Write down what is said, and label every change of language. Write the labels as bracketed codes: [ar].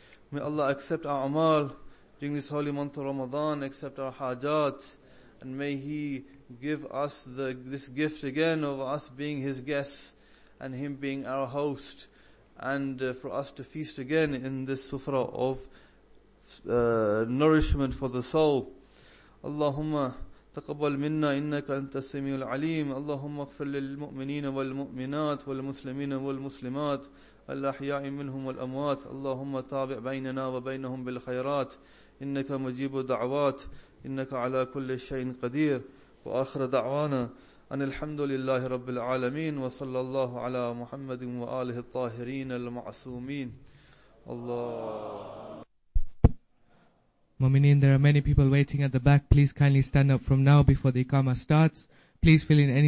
[en] May Allah accept our amal during this holy month of Ramadan, accept our hajat, and may He give us this gift again of us being His guests and Him being our host, and for us to feast again in this sufra of nourishment for the soul. [ar] Allahumma تقبل منا إنك أنت السميع العليم اللهم اغفر للمؤمنين والمؤمنات والمسلمين والمسلمات الأحياء منهم والأموات اللهم تابع بيننا وبينهم بالخيرات إنك مجيب الدعوات إنك على كل شيء قدير وآخر دعوانا أن الحمد لله رب العالمين وصلى الله على محمد وآله الطاهرين المعصومين الله. [en] Mu'mineen, there are many people waiting at the back. Please kindly stand up from now before the Iqamah starts. Please fill in any